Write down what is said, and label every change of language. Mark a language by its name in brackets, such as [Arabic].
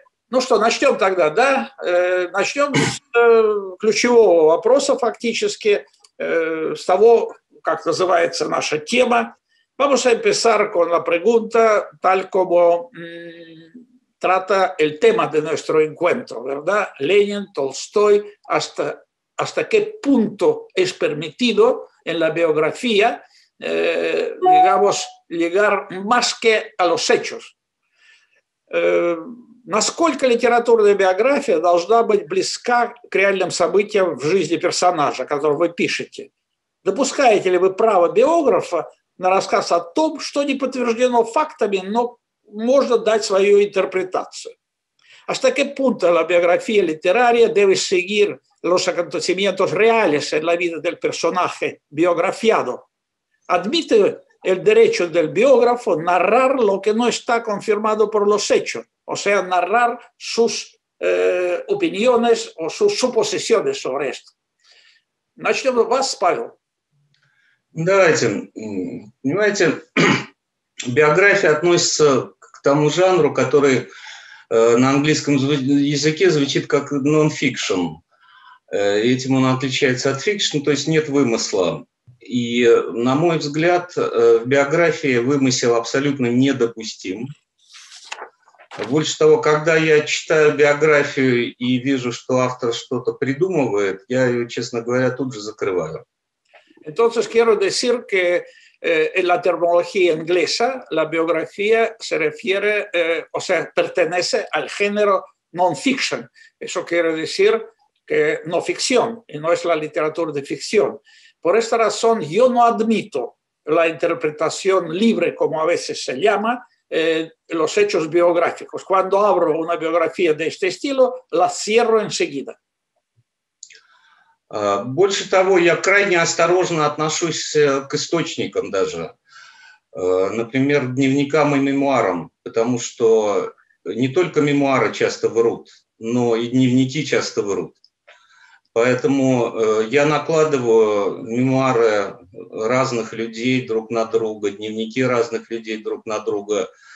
[Russian] Ну что, начнем тогда, да? Начнем с ключевого вопроса фактически, с того, как называется наша тема. [Spanish] Vamos a empezar con la pregunta tal como trata el tema de nuestro encuentro, ¿verdad? Ленин, Толстой, ¿hasta qué punto es permitido en la biografía, digamos, llegar más que a los hechos? [Russian] Насколько литературная биография должна быть близка к реальным событиям в жизни персонажа, которого вы пишете? Допускаете ли вы право биографа на рассказ о том, что не подтверждено фактами, но можно дать свою интерпретацию? [Spanish] Hasta qué punto la biografía literaria debe seguir los acontecimientos reales en la vida del personaje biografiado? Admite el derecho del biógrafo narrar lo que no está confirmado por los hechos, o sea, narrar sus opiniones o sus suposiciones sobre esto. [Russian] Начнем с вас, Павел. Давайте. Понимаете, биография относится к тому жанру, который на английском языке звучит как non-fiction. Этим он отличается от fiction, то есть нет вымысла. И, на мой взгляд, в биографии вымысел абсолютно недопустим. Больше того, когда я читаю биографию и вижу, что автор что-то придумывает, я ее, честно говоря, тут же закрываю. [Spanish] Entonces quiero decir que en la terminología inglesa la biografía se refiere, o sea, pertenece al género non-fiction. Eso quiere decir que no ficción y no es la literatura de ficción. Por esta razón yo no admito la interpretación libre, como a veces se llama, los hechos biográficos. Cuando abro una biografía de este estilo, la cierro enseguida. [Russian] Больше того, я крайне осторожно отношусь к источникам даже. Например, дневникам и мемуарам, потому что не только мемуары часто врут, но и дневники часто врут. Поэтому я накладываю мемуары разных людей друг на друга, дневники разных людей друг на друга.